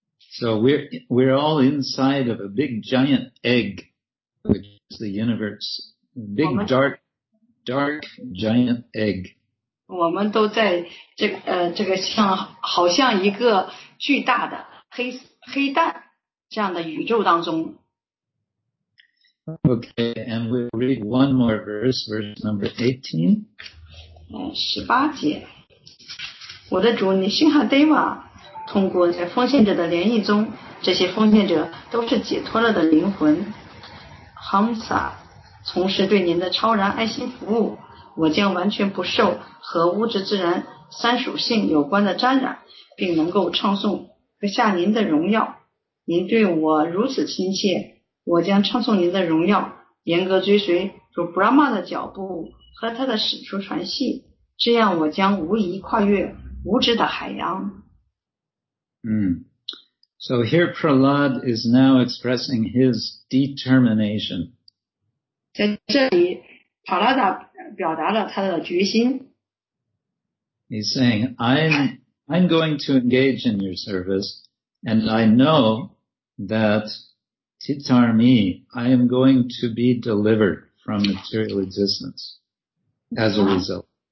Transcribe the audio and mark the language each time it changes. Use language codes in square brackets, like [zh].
[en] So we're all inside of a big giant egg, which is the universe. Big dark giant egg. [zh] 我们都在这个像好像一个巨大的黑蛋。这样的宇宙当中。 [en] Okay, and we'll read one more verse, verse number 18. [zh] 18节。我的主尼辛哈德瓦通过在奉献者的联谊中这些奉献者都是解脱了的灵魂。 Hamsa, 从事对您的超然爱心服务我将完全不受和物质自然三属性有关的沾染并能够唱颂和下您的荣耀。您对我如此亲切，我将唱颂您的荣耀，严格追随主 Brahma 的脚步和他的使徒传系，这样我将无疑跨越无知的海洋。 [en] So here Prahlad is now expressing his determination. [zh] 在这里，帕拉达表达了他的决心。 [en] He's saying, I'm going to engage in your service. And I know that Titarmi, I am going to be delivered from material existence as a result.